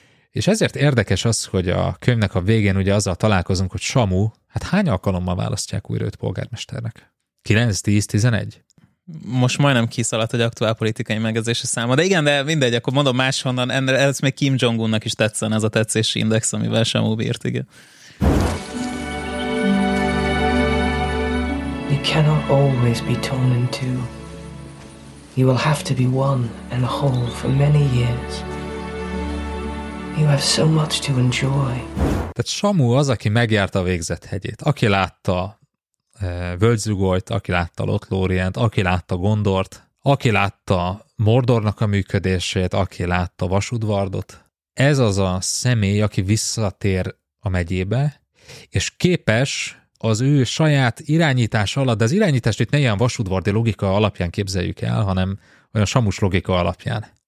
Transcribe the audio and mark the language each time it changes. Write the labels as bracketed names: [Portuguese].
[Hungarian] És ezért érdekes az, hogy a könyvnek a végén ugye azzal találkozunk, hogy Samu, hát hány alkalommal választják újra őt polgármesternek? 9, 10, 11? Most majdnem kiszaladt, hogy aktuál politikai megjegyzése száma, de igen, de mindegy, akkor mondom máshonnan, ez még Kim Jong-unnak is tetszen ez a tetszési index, amivel Samu bírt, igen. [English] You cannot always be torn in two. You will have to be one and whole for many years. You have so much to enjoy. [Hungarian] Tehát Samu az, aki megjárta a végzett hegyét. Aki látta Völgyzugolyt, aki látta Lothlórient, aki látta Gondort, aki látta Mordornak a működését, aki látta Vasudvardot. Ez az a személy, aki visszatér a megyébe, és képes az ő saját irányítás alatt, de az irányítást itt ne ilyen vasudvardi logika alapján képzeljük el, hanem olyan samus logika alapján.